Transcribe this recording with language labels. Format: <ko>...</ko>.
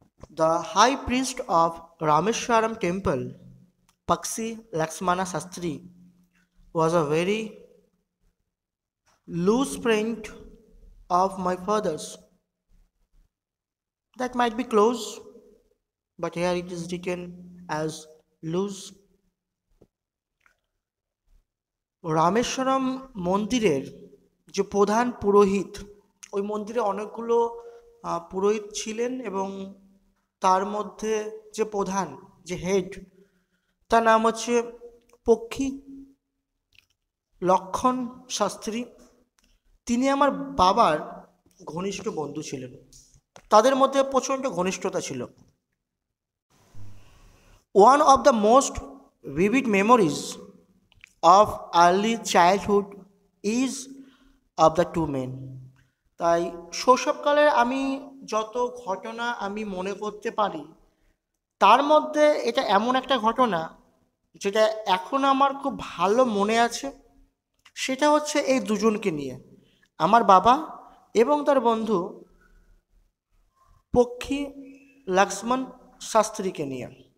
<en>The high priest of Rameswaram temple, Paksi Lakshmana Shastri, was a very loose friend of my father's. That might be close, but here it is written as loose.</en> <bn>Rameswaram মন্দিরের যে প্রধান পুরোহিত, ওই মন্দিরে অনেকগুলো পুরোহিত ছিলেন এবং তার মধ্যে যে প্রধান, যে হেড, তার নাম হচ্ছে পক্ষী লক্ষণ শাস্ত্রী। তিনি আমার বাবার ঘনিষ্ঠ বন্ধু ছিলেন, তাদের মধ্যে প্রচণ্ড ঘনিষ্ঠতা ছিল।</bn> <en>One of the most vivid memories of early childhood is of the two men.</en> <bn>তাই শৈশবকালে আমি যত ঘটনা আমি মনে করতে পারি তার মধ্যে এটা এমন একটা ঘটনা যেটা এখন আমার খুব ভালো মনে আছে, সেটা হচ্ছে এই দুজনকে নিয়ে, আমার বাবা এবং তার বন্ধু পক্ষী লক্ষ্মণ শাস্ত্রীকে নিয়ে।</bn>